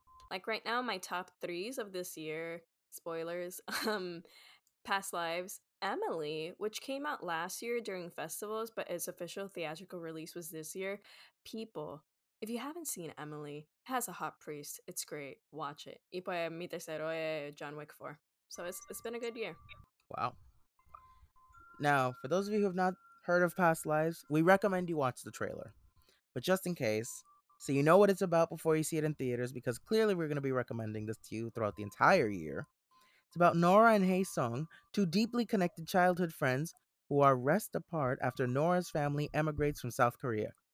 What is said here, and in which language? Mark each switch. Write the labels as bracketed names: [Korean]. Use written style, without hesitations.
[English] Like, right now, my top threes of this year, spoilers, Past Lives, Emily, which came out last year during festivals, but its official theatrical release was this year. People, if you haven't seen Emily, it has a hot priest. It's great. Watch it. [Spanish] Y pues mi tercero es John Wick 4. [English] So it's been a good year. Wow. Now, for those of you who have not heard of Past Lives, we recommend you watch the trailer. But just in case, so you know what it's about before you see it in theaters, because clearly we're going to be recommending this to you throughout the entire year. It's about Nora and Haesung, two deeply connected childhood friends who are wrest apart after Nora's family emigrates from South Korea.